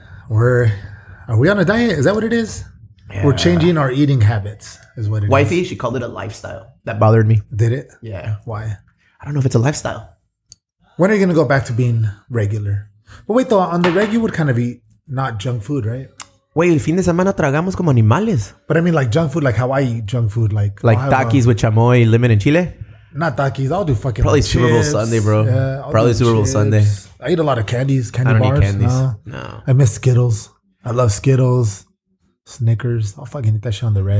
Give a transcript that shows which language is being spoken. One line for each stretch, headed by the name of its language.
English: Are we on a diet? Is that what it is? Yeah. We're changing our eating habits, is what it Wifey, is. Wifey, she called it a lifestyle. That bothered me. Did it? Yeah. Why? I don't know if it's a lifestyle. When are you going to go back to being regular? But wait, though, on the reg, you would kind of eat not junk food, right? Wait,
Spanish: el fin de semana tragamos como animales.
English: But I mean, like junk food, like how I eat junk food. Like takis with chamoy, lemon, and chile? Not takis. I'll do fucking probably like Super Bowl Sunday, bro. Yeah, probably Super Bowl Sunday. I eat a lot of candies, candy bars. I don't eat candies. No. I miss Skittles. I love Skittles. Snickers. I'll fucking eat that shit on the reg.